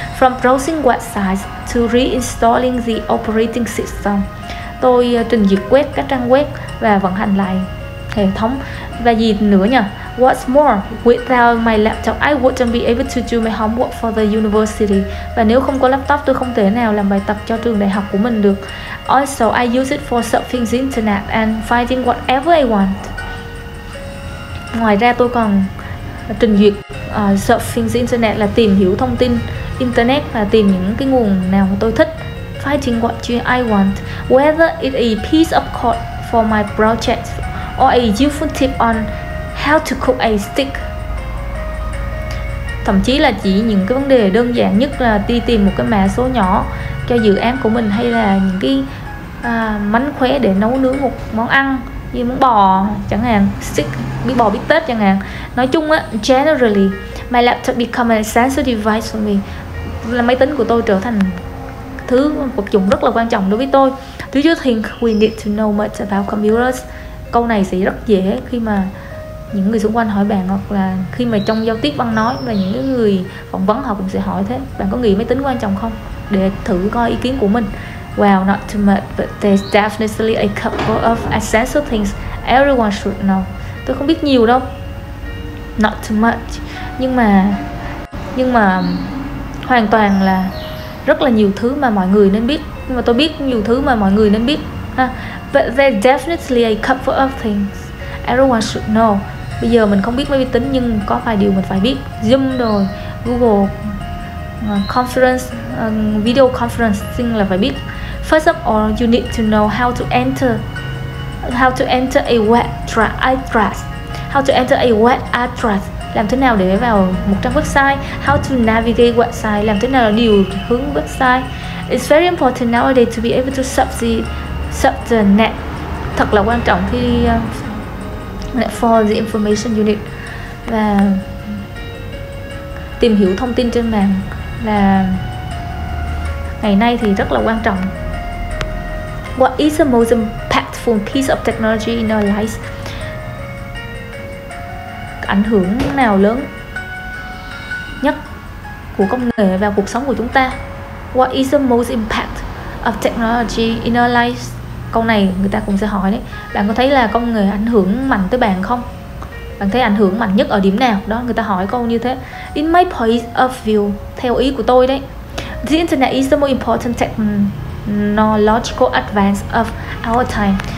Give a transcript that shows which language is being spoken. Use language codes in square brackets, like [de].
[en] From browsing websites to reinstalling the operating system, [vi] tôi trình duyệt web, các trang web, và vận hành lại hệ thống. Và gì nữa nhỉ? [en] What's more, without my laptop I wouldn't be able to do my homework for the university. [vi] Và nếu không có laptop tôi không thể nào làm bài tập cho trường đại học của mình được. [en] Also I use it for surfing the internet and finding whatever I want. [vi] Ngoài ra tôi còn trình duyệt [en] surfing the internet [vi] là tìm hiểu thông tin internet, là tìm những cái nguồn nào mà tôi thích. [en] Finding what I want, whether it's a piece of code for my project or a useful tip on how to cook a steak. [vi] Thậm chí là chỉ những cái vấn đề đơn giản nhất là đi tìm một cái mã số nhỏ cho dự án của mình, hay là những cái mánh khóe để nấu nướng một món ăn như món bò chẳng hạn, steak, bít bò, bít tết chẳng hạn. Nói chung á, generally [en] My laptop become an essential device for me. [vi] Là máy tính của tôi trở thành thứ vật dụng rất là quan trọng đối với tôi. [en] Do you think we need to know much about computers? [vi] Câu này sẽ rất dễ khi mà những người xung quanh hỏi bạn, hoặc là khi mà trong giao tiếp văn nói và những người phỏng vấn họ cũng sẽ hỏi thế. Bạn có nghĩ máy tính quan trọng không? Để thử coi ý kiến của mình. [en] Well, not too much, but there's definitely a couple of essential things everyone should know. [vi] Tôi không biết nhiều đâu. [en] Not too much. [vi] Nhưng mà hoàn toàn là rất là nhiều thứ mà mọi người nên biết. Nhưng mà tôi biết nhiều thứ mà mọi người nên biết ha. [en] But there's definitely a couple of things everyone should know. [vi] Bây giờ mình không biết máy vi tính nhưng có vài điều mình phải biết. Zoom rồi, Google Conference, video conferencing là phải biết. [en] First of all, you need to know how to enter a web address. How to enter a web address. [vi] Làm thế nào để vào một trang website. [en] How to navigate website. [vi] Làm thế nào điều hướng website. [en] It's very important nowadays to be able to surf the net. [vi] Thật là quan trọng khi [en] for the information you need. [vi] Và tìm hiểu thông tin trên mạng là ngày nay thì rất là quan trọng. [en] What is the most impactful piece of technology in our lives? [vi] Ảnh hưởng nào lớn nhất của công nghệ vào cuộc sống của chúng ta? [en] What is the most impact of technology in our lives? [vi] Câu này người ta cũng sẽ hỏi đấy. Bạn có thấy là công nghệ ảnh hưởng mạnh tới bạn không? Bạn thấy ảnh hưởng mạnh nhất ở điểm nào? Đó, người ta hỏi câu như thế. [en] In my point of view, [vi] theo ý của tôi đấy, [en] the internet is the most important technological advance of our time.